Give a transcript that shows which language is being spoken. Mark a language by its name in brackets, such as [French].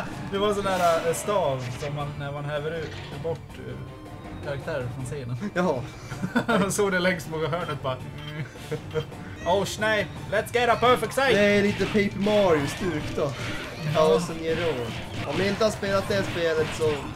[Swedish] Det var sån här stav som man, när man häver ut bort karaktärer från scenen. Jaha. Man såg det längst på hörnet bara. [English] Oh snap, let's get a perfect save! [Swedish] Det är lite Paper Mario stuk då. Ja, mm. Som ger råd. Om ni inte har spelat det spelet så...